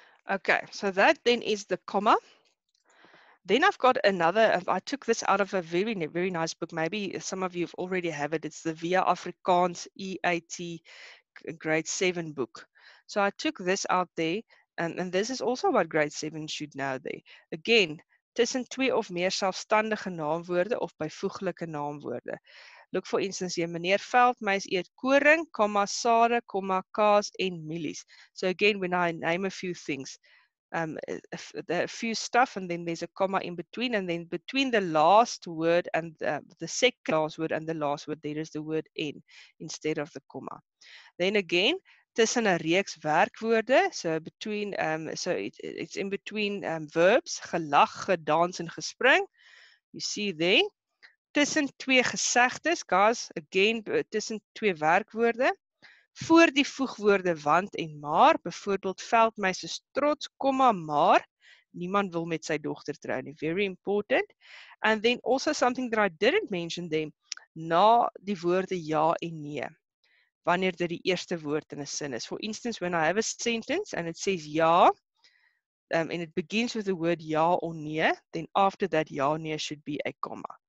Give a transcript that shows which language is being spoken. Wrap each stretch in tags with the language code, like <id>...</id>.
<en>Okay, so that then is the comma. Then I've got another, I took this out of a very, very nice book. Maybe some of you have already have it. It's the Via Afrikaans EAT grade 7 book. So I took this out there, and this is also what grade 7 should know there.</en> <af>Again, tussen twee of meer selfstandige naamwoorde of byvoeglike naamwoorde. Look for instance here, meneer Veldmeis eet koring, comma, sade, comma, kaas en mielies.</af> <en>So again, when I name a few things, a few stuff and then there's a comma in between and then between the last word and the second last word and the last word, there is the word en instead of the comma. Then again, tussen 'n reeks werkwoorde, so between, it's in between verbs, gelag, gedans en gespring, you see there.</en> <af>Tussen twee gesegdes, guys, again, tussen twee werkwoorde. Voor die voegwoorde want en maar, bijvoorbeeld Veldmeis is trots, komma, maar. Niemand wil met sy dogter trou nie, very important.</af> <en>And then also something that I didn't mention them, na die woorde ja en nee. Wanneer dit die eerste woord in 'n sin is. For instance, when I have a sentence and it says ja, and it begins with the word ja or nee, then after that ja or nee should be a comma.</en>